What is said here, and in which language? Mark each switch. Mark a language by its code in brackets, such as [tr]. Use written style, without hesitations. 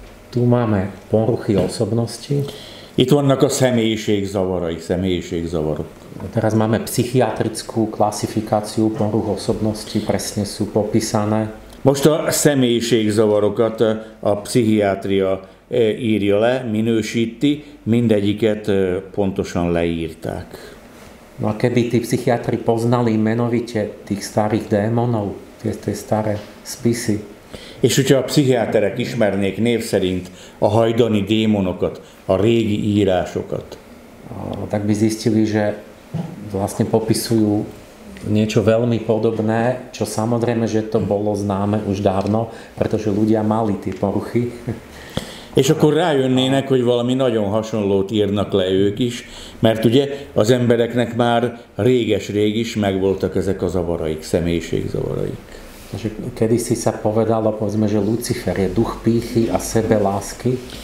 [sk] Tu máme poruchy osobnosti. [hu] Itt vannak a személyiségzavarai, személyiségzavarok. [sk] Teraz máme psychiatrickú klasifikáciu poruch osobnosti, presne sú popísané. [hu] Most a személyiségzavarokat a pszichiátria írja le, minősíti, mindegyiket pontosan leírták. [sk] No a keby tí psychiatri poznali menovite tých starých démonov, tie staré spisy. [hu] És hogyha a pszichiáterek ismernék név szerint a hajdani démonokat, a régi írásokat. [sk] Tak by zistili, že vlastne popisujú niečo veľmi podobné, čo samozrejme, že to bolo známe už dávno, pretože ľudia mali tie poruchy. [hu] És akkor rájönnének, hogy valami nagyon hasonlót írnak le ők is, mert ugye az embereknek már réges-rég is megvoltak ezek a zavaraik, személyiségzavaraik. [sk] Takže kedysi sa povedalo, povedzme, že Lucifer je duch pýchy a sebelásky.